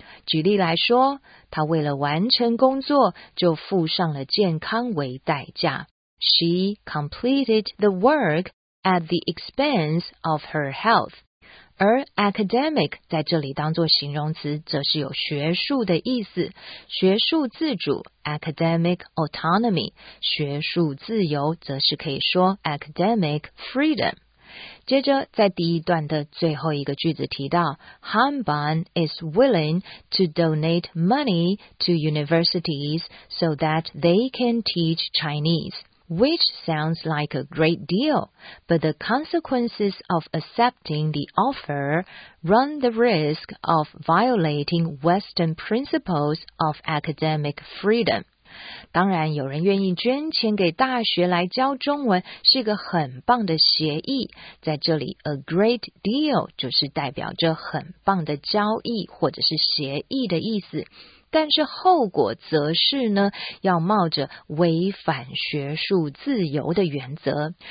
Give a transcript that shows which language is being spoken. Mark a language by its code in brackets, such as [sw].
[zh] 举例来说，他为了完成工作，就付上了健康为代价。 [en] She completed the work at the expense of her health. [zh] 而 academic 在这里当作形容词，则是有学术的意思，学术自主 [en] academic autonomy， [zh] 学术自由则是可以说 [en] academic freedom。 [zh] 接着在第一段的最后一个句子提到 [en] Hanban is willing to donate money to universities so that they can teach Chinese, which sounds like a great deal, but the consequences of accepting the offer run the risk of violating Western principles of academic freedom. [zh] 当然有人愿意捐钱给大学来教中文是一个很棒的协议，在这里 [en] a great deal [zh] 就是代表着很棒的交易或者是协议的意思，但是后果则是呢，要冒着违反学术自由的原则。